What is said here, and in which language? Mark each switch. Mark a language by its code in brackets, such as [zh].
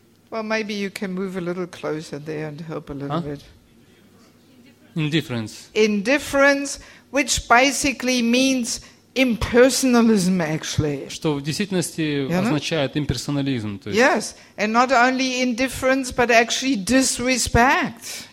[en] Well, maybe you can move a little closer there and help a little bit. Indifference. Indifference, which basically means impersonalism, actually. [ru] Что в действительности означает имперсонализм. То есть. [en] Yes, and not only indifference, but actually disrespect.